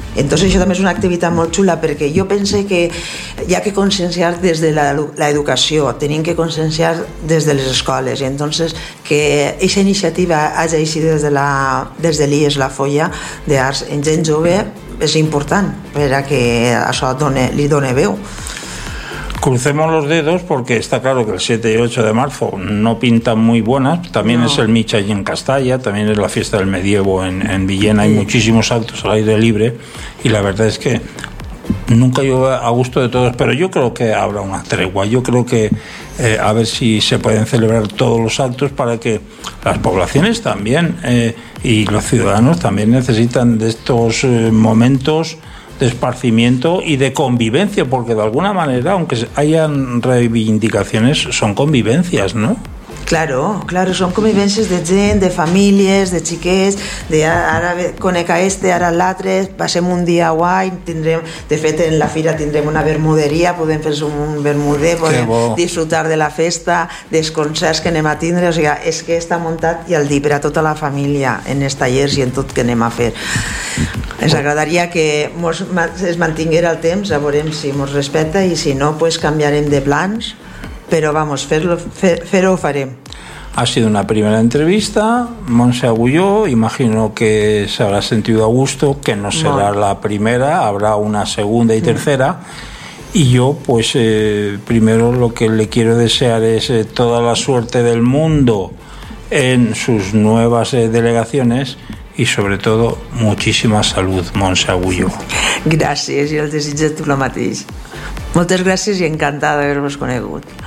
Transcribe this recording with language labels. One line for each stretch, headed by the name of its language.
Catalan: Entonces això també és una activitat molt xula perquè jo pense que hi ha que conscienciar des de la educació, tenim que conscienciar des de les escoles, i entonces que aquesta iniciativa hagi eixit des de l'IES La Folla d'Arts en gent jove és important per a que això li doni veu.
Spanish: Crucemos los dedos porque está claro que el 7 y 8 de marzo no pintan muy buenas, también no. Es el Mitja allí en Castalla, también es la fiesta del medievo en Villena, sí. Hay muchísimos actos al aire libre y la verdad es que nunca llueve a gusto de todos, pero yo creo que habrá una tregua, yo creo que a ver si se pueden celebrar todos los actos para que las poblaciones también y los ciudadanos también necesitan de estos momentos de esparcimiento y de convivencia, porque de alguna manera, aunque hayan reivindicaciones, son convivencias, ¿no?
Catalan: Claro, claro, són convivències de gent, de famílies, de xiquets, de ara conec a este, ara a l'altre, passem un dia guai, tindrem, de fet en la fira tindrem una vermuderia, podem fer un vermuder, podem disfrutar de la festa, dels concerts que anem a tindre, o sigui, és que està muntat i el dia per a tota la família en els tallers i en tot que anem a fer. Ens agradaria que es mantinguera el temps, a veurem si ens respecta i si no, pues canviarem de plans. Però, vamos, fer-ho farem.
Spanish: Ha sido una primera entrevista, Montse Agulló, imagino que se habrá sentido a gusto, que no será la primera, habrá una segunda y tercera, y yo, pues, primero lo que le quiero desear es toda la suerte del mundo en sus nuevas delegaciones y, sobre todo, muchísima salud, Montse Agulló. Gracias, y el desejo tú lo mateix.
Catalan: Moltes gràcies i encantada d'haver-vos conegut.